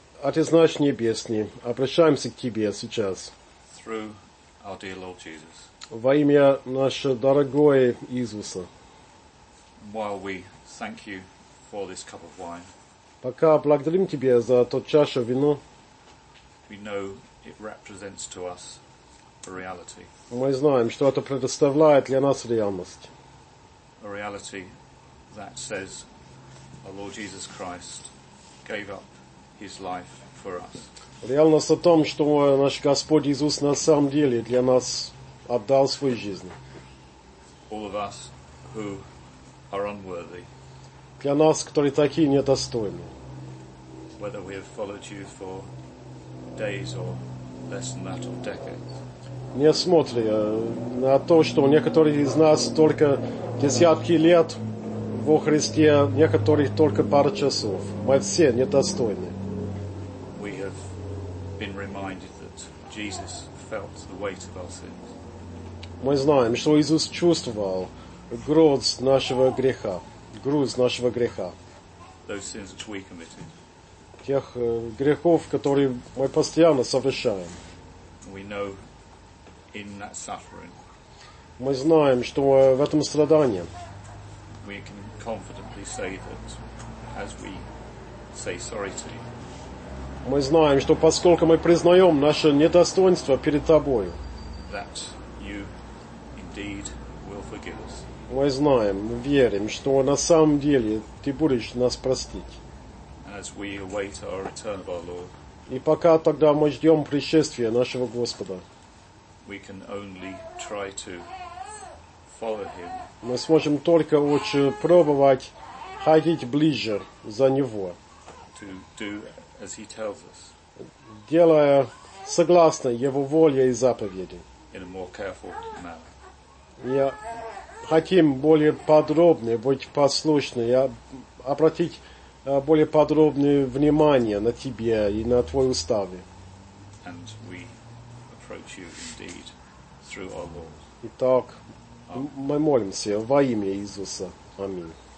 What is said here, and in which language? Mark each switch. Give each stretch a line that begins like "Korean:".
Russian: Отец Небесный, обращаемся к Тебе сейчас.
English: Through our dear Lord Jesus.
Russian: Во имя нашего дорогого Иисуса.
English: While we thank you for this cup of wine.
Russian: Пока благодарим Тебя за ту чашу вина.
English: We know it represents to us a reality.
Russian: Мы знаем, что это предоставляет для нас реальность.
English: A reality that says our Lord Jesus Christ gave up his life for us.
Russian: Реальность о том, что наш Господь Иисус на самом деле для нас отдал свою жизнь.
English: All of us who are unworthy.
Russian: Для нас, которые такие недостойны.
English: Whether we have followed you for days or less than that or decades.
Russian: Не смотри на то, что некоторые из нас только десятки лет во Христе, некоторые только пару часов. Мы все недостойны.
English: We have been reminded that Jesus felt the weight of our sins.
Russian: Мы знаем, что Иисус чувствовал груз нашего греха.
English: Those sins which we committed.
Russian: Тех грехов, которые мы постоянно совершаем.
English: We know in that suffering.
Russian: Мы знаем, что в этом страдании.
English: We can confidently say that as we say sorry to you.
Russian: Мы знаем, что поскольку мы признаем наше недостоинство перед тобой.
English: That you indeed will forgive us.
Russian: Мы знаем, мы верим, что на самом деле ты будешь нас простить.
English: As we await our return of our Lord,
Russian: и пока тогда мы ждем пришествия нашего Господа,
English: we can only try to follow him.
Russian: Мы сможем только очень пробовать ходить ближе за Него,
English: to do as he tells us,
Russian: делая согласно Его воле и заповеди.
English: In a more careful manner.
Russian: Я хотим более подробно быть послушны, обратить более подробное внимание на Тебе и на Твои уставы.
English: And we approach you indeed through our Lord.
Russian: Итак, мы молимся во имя Иисуса. Аминь.